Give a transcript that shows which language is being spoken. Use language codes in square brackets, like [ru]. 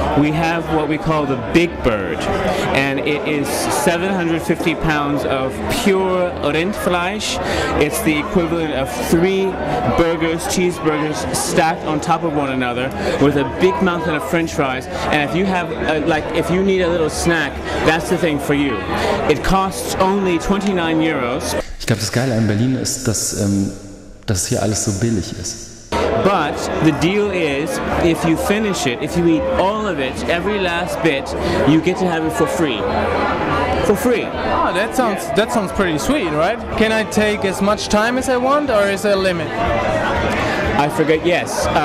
[en] We have what we call the Big Bird, and it is 750 pounds of pure Rindfleisch. It's the equivalent of three burgers, cheeseburgers, stacked on top of one another with a big mountain of French fries. And if you have, if you need a little snack, that's the thing for you. It costs only 29 euros. [de] Ich glaube, das Geile an Berlin ist, dass dass hier alles so billig ist. [en] But the deal is, if you finish it, if you eat all of it, every last bit, you get to have it for free. For free. Oh, that sounds pretty sweet, right? Can I take as much time as I want, or is there a limit? I forget, yes.